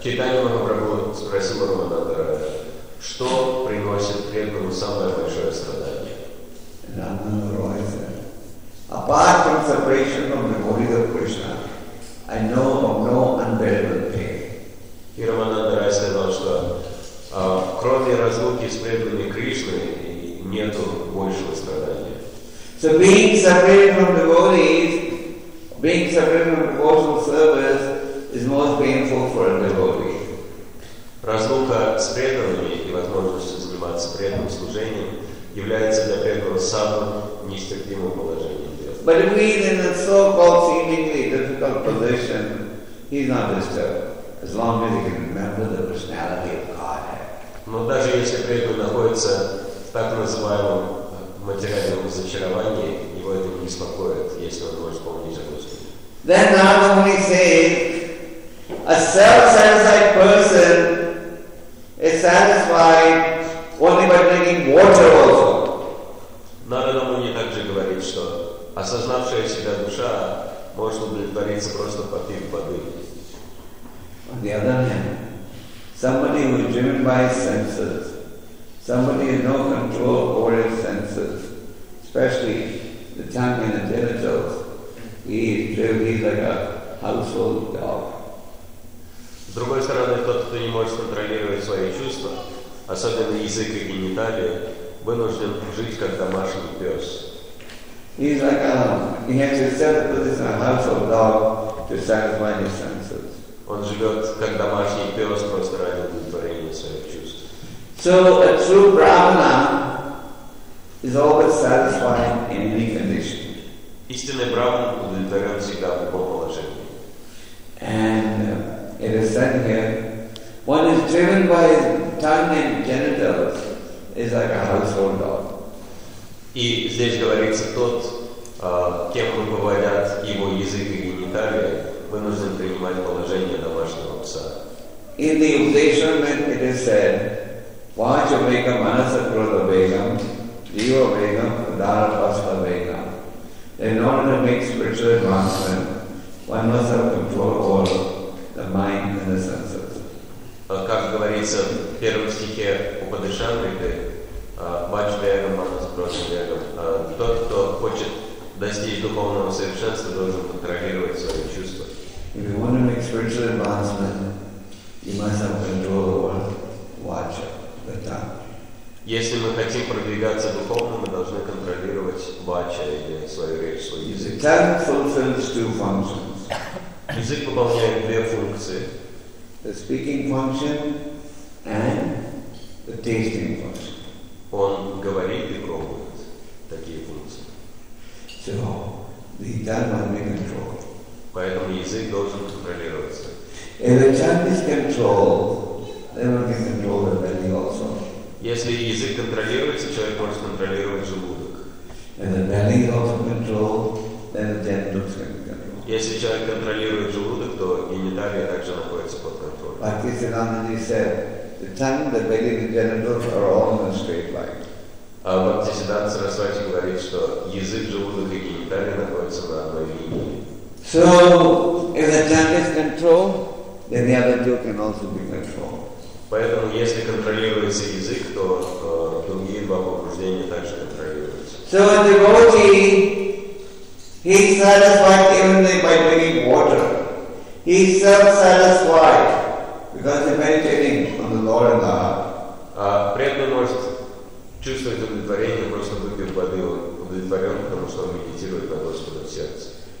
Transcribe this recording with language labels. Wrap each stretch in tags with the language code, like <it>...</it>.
<ru>Чайтанья Махапрабху спросил Рамананда, что приносит преданному самое большое страдание.</ru> <en>Рамананда Рой said, apart from separation from the devotees of Krishna, I know of no unbearable pain.</en> <ru>И Рамананда Рой сказал, что кроме разлуки с преданными Кришной нет большего страдания.</ru> <en>So being separated from devotees, being separated from devotional service, is most painful for a devotee.</en> <ru>Разлука с преданными и возможность заниматься преданным служением является для преданного самым нестерпимым положением.</ru> <en>But if he is in a so-called seemingly difficult position, he's not disturbed as long as he can remember the personality of Godhead.</en> <ru>Но даже если преданный находится в так называемом материальном разочаровании, его это не беспокоит, если он может помнить о Господе.</ru> <en>Then Narada Muni says, a self-satisfied person is satisfied only by drinking water also.</en> <ru>Narada Muni также говорит, что осознавшая себя душа может удовлетвориться просто попив воды.</ru> <en>On the other hand, somebody who is driven by his senses, somebody who has no control over his senses, especially the tongue and the genitals, he is driven like a household dog.</en> <ru>С другой стороны, тот, кто не может контролировать свои чувства, особенно язык и гениталии, вынужден жить как домашний пес.</ru> <en>He's like a, he has to set up this in a household dog to satisfy his senses.</en> <ru>Он живет как домашний пес, просто ради удовлетворения своих чувств.</ru> <en>So a true brahmana is always satisfied in any condition.</en> <ru>Истинный брахман удовлетворен всегда в любом положении.</ru> <en>And it is said here, one is driven by his tongue and genitals is like a household dog.</en> <ru>И здесь говорится тот, кем руководят его язык и гениталии, вынужден принимать положение домашнего пса.</ru> <en>In the Upanishad, it is said,</en> <sa>Vacha Vegam Manasa Krodha Vegam, Jiva Vegam Dara Pasta Vegam.</sa> <en>In order to make spiritual advancement, one must have control over the mind and the senses.</en> <ru>Как говорится в первом стихе Упанишады,</ru> <sa>Ваджвега Манас Брошвега,</sa> <ru>тот, кто хочет достичь духовного совершенства, должен контролировать свои чувства.</ru> <en>If you want to make spiritual advancement, you must have control over Vacha, the tongue.</en> <ru>Если мы хотим продвигаться духовно, мы должны контролировать Vacha или свою речь, свой язык.</ru> <en>The tongue fulfills two functions.</en> <ru>Язык выполняет две функции.</ru> <en>The speaking function and the tasting function.</en> <ru>Он говорит и пробует такие функции.</ru> <en>So, the tongue must be controlled.</en> <ru>Поэтому язык должен контролироваться.</ru> <en>If the tongue is controlled, then one can control the belly also.</en> <ru>Если язык контролируется, человек может контролировать желудок.</ru> <en>If the belly is also controlled, then the genitals can be controlled.</en> <ru>Если человек контролирует желудок, то гениталия также находится под контролем.</ru> <en>Бхактисиддханта Сарасвати said, the tongue, the belly, the genitals are all in a straight line.</en> <ru>Бхактисиддханта Сарасвати говорит, что язык, желудок и гениталии находятся на одной линии.</ru> <en>So, if the tongue is controlled, then the other two can also be controlled.</en> <ru>Поэтому, если контролируется язык, то другие два побуждения также контролируются.</ru> <en>So, a devotee, he is satisfied even by drinking water. He is self-satisfied because he is meditating on the Lord and the heart.</en> <ru>Преданный может чувствовать удовлетворение, просто выпив воды, удовлетворен, потому что он медитирует на Господа в сердце.</ru>